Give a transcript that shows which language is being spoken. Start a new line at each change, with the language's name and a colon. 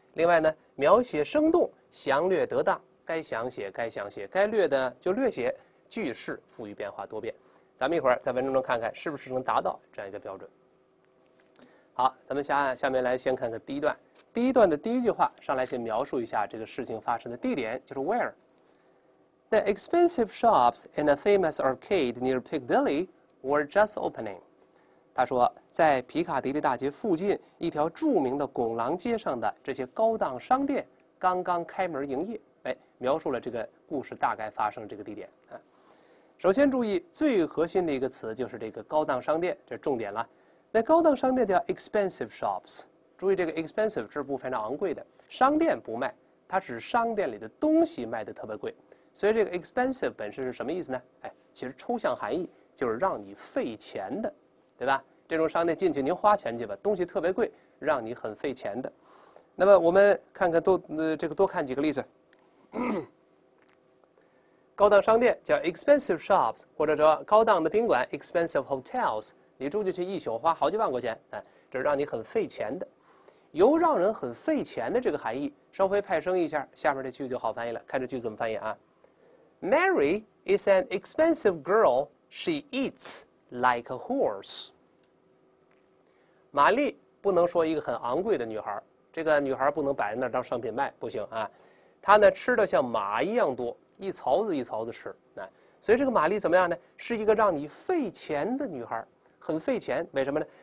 Chinese: 另外呢，描写生动，详略得当，该详写该详写，该略的就略写，句式富于变化多变。咱们一会儿在文章中看看是不是能达到这样一个标准。好，咱们下面来先看看第一段。第一段的第一句话上来先描述一下这个事情发生的地点，就是 where。
English: The expensive shops and a famous arcade near Piccadilly were just opening。
Chinese: 他说，在皮卡迪利大街附近一条著名的拱廊街上的这些高档商店刚刚开门营业。哎，描述了这个故事大概发生这个地点。首先注意最核心的一个词就是这个高档商店，这是重点了。那高档商店叫
English: expensive shops。
Chinese: 注意这个 expensive 这是部分的昂贵的，商店不卖，它只是商店里的东西卖得特别贵，所以这个 expensive 本身是什么意思呢？哎，其实抽象含义就是让你费钱的，对吧？这种商店进去您花钱去吧，东西特别贵，让你很费钱的。那么我们看看多看几个例子。高档商店叫
English: expensive shops，
Chinese: 或者说高档的宾馆
English: expensive hotels，
Chinese: 你住进去一宿花好几万块钱，哎，这是让你很费钱的。由让人很费钱的这个含义稍微派生一下，下面这句就好翻译了。看这句怎么翻译啊。
English: Mary is an expensive girl. She eats like a horse.
Chinese: 玛丽不能说一个很昂贵的女孩，这个女孩不能摆在那儿当商品卖，不行啊。她呢吃的像马一样多，一槽子一槽子吃。所以这个玛丽怎么样呢？是一个让你费钱的女孩，很费钱。为什么呢？